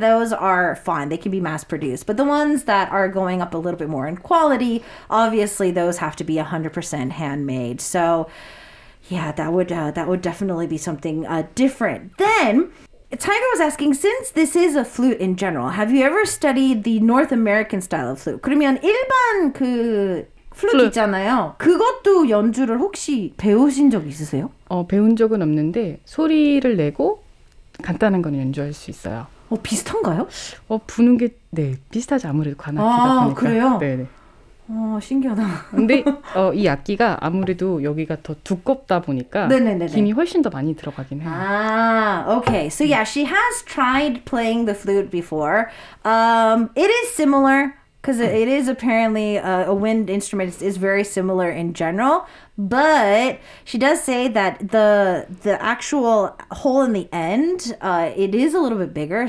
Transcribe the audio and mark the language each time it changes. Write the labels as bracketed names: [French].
[English] Those are fine. They can be mass produced. But the ones that are going up a little bit more in quality, obviously those have to be 100% handmade. So yeah, that would definitely be something different. Then, Tiger was asking, since this is a flute in general, have you ever studied the North American style of flute? [Korean] 그러면 일반 그 플루트 있잖아요. 그것도 연주를 혹시 배우신 적 있으세요? 배운 적은 없는데 소리를 내고 간단한 건 연주할 수 있어요. 비슷한가요? 부는 게 네, 비슷하지 아무래도 관악기다 보니까. 그래요? 네. 신기하다. 근데 이 악기가 아무래도 여기가 더 두껍다 보니까 네네네네. 김이 훨씬 더 많이 들어가긴 해요. [English] Okay. So yeah, she has tried playing the flute before. It is similar because it is apparently a wind instrument. It's very similar in general. But she does say that the actual hole in the end, it is a little bit bigger.